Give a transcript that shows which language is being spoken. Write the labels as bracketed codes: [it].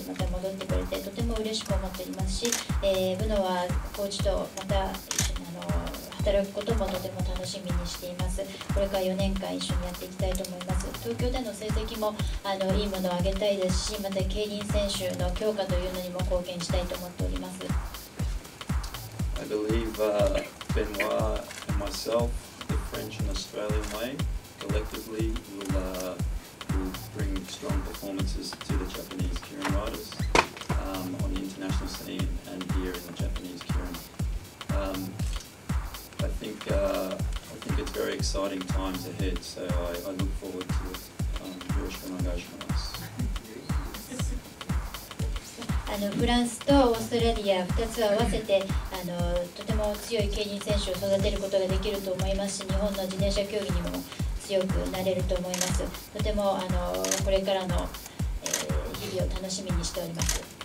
[ja] また戻ってこれてとても嬉しく思っておりますし、ブノワコーチとまた一緒に働くこともとても楽しみにしています。これから4年間一緒にやっていきたいと思います。東京での成績もいいものを上げたいですし、また競輪選手の強化というのにも貢献したいと思っております。 [en] I believe Benoit and myself, the French and Australian way, collectively will bring strong performances to the Japanese Kirin riders on the international scene and here in the Japanese Kirin. I think it's very exciting times ahead, so I look forward to it. [ja] よろしくお願いします。フランスとオーストラリア2つを合わせてとても強い競輪選手を育てることができると思いますし、日本の自転車競技にも強くなれると思います。とてもこれからの、日々を楽しみにしております。